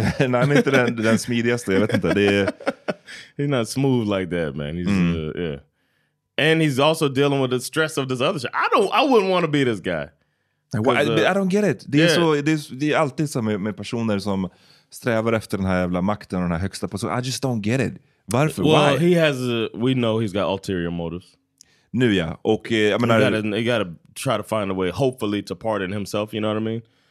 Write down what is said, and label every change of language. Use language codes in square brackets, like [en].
[sv] Nej, han är inte den smidigaste, jag vet inte. [en] He's not smooth like that, man. He's yeah. And he's also dealing with the stress of this other shit. I wouldn't want to be this guy. I don't get it. [sv] Det är alltid så med personer som strävar efter den här jävla makten och den här högsta positionen. [en] I just don't get it. [sv] Varför? [en] Well, why? We know he's got ulterior motives. [sv] Nu ja, och jag menar, [en] he gotta try to find a way, hopefully, to pardon himself, you know what I mean?